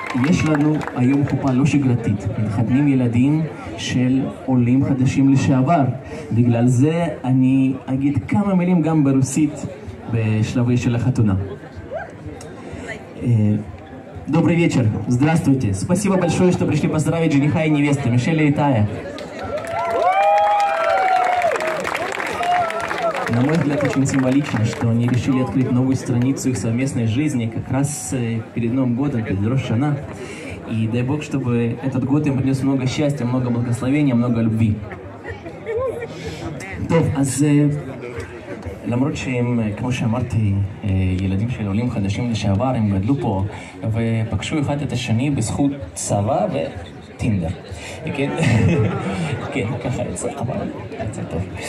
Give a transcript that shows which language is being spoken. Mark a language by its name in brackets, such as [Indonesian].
[Hebrew] יש לנו היום חופה לא שגרתית, מתחתנים ילדים של עולים חדשים לשעבר. בגלל זה אני אגיד כמה מילים גם ברוסית בשלבי של החתונה. [Russian] Добрый вечер. Здравствуйте. Спасибо большое, что пришли поздравить жениха и невесту, Мишеля и Тая. На мой взгляд, очень символично, что они решили открыть новую страницу их совместной жизни как раз перед Новым годом, перед Рош Шана. И дай Бог, чтобы этот год им принес много счастья, много благословения, много любви. [Hebrew] Тов, аз... למרות שהם, כמו שאמרתי, ילדים של עולים חדשים לשעבר, הם גדלו פה ופגשו אחד את השני בזכות צבא וטינדר. כן, כן, ככה יצא, אבל יצא טוב.